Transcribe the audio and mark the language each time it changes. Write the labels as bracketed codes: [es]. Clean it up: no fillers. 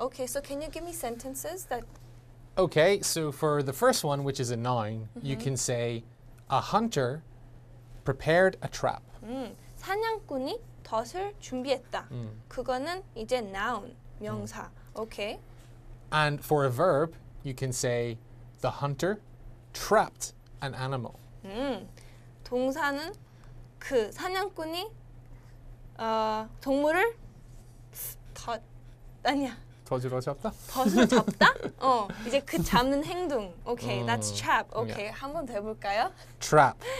[en] Okay, so can you give me sentences that... Okay, so for the first one, which is a noun, you can say, a hunter prepared a trap. [ko] 사냥꾼이 덫을 준비했다. 그거는 이제 noun, 명사. Okay. [en] And for a verb, you can say, the hunter trapped an animal. [ko] 동사는 그 사냥꾼이 동물을 덫으로 잡다? 덫으로 잡다? 이제 그 잡는 행동. [en] Okay, that's trap. Okay, yeah. [ko] 한 번 더 해볼까요? [en] Trap.